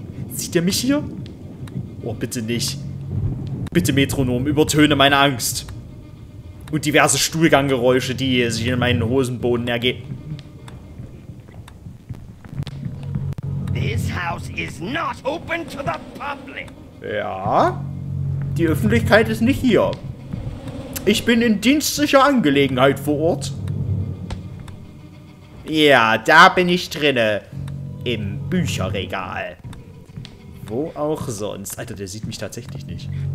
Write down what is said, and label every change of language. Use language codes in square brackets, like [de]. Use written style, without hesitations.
[de] Sieht er mich hier? Oh, bitte nicht. Bitte, Metronom, übertöne meine Angst. Und diverse Stuhlganggeräusche, die sich in meinen Hosenboden ergeben. [en] This house is not open to the public. [de] Ja? Die Öffentlichkeit ist nicht hier. Ich bin in dienstlicher Angelegenheit vor Ort. Ja, da bin ich drinne. Im Bücherregal. Wo auch sonst. Alter, der sieht mich tatsächlich nicht.